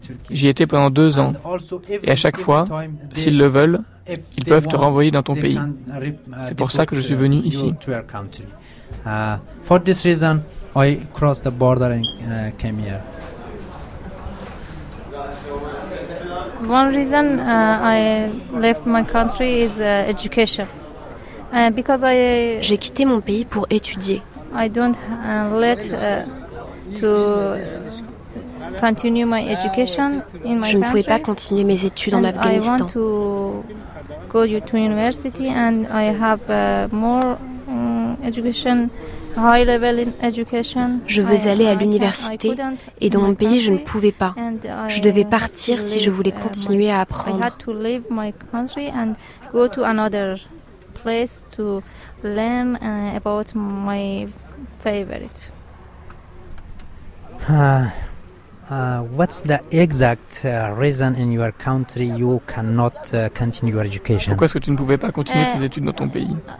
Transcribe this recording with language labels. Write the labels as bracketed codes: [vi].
[fr] J'y étais pendant 2 ans. Et à chaque fois, s'ils le veulent, ils peuvent te renvoyer dans ton pays. C'est pour ça que je suis venu ici. [en] For this reason, I crossed the border and came here. One reason I left my country is education. Because I [fr] j'ai quitté mon pays pour étudier. [en] I don't let to continue my education in my [fr] je [en] country. [fr] Ne pouvais pas continuer mes études [en] and [fr] en Afghanistan. [en] I want to go to university and I have more education. High level in education. [fr] Je veux aller à l'université et dans mon pays je ne pouvais pas. Je devais partir si je voulais continuer à apprendre. [en] I had to leave my country and go to another place to learn about my favorite. What's the exact reason in your country you cannot continue your education? [fr] Pourquoi est-ce que tu ne pouvais pas continuer tes études dans ton pays?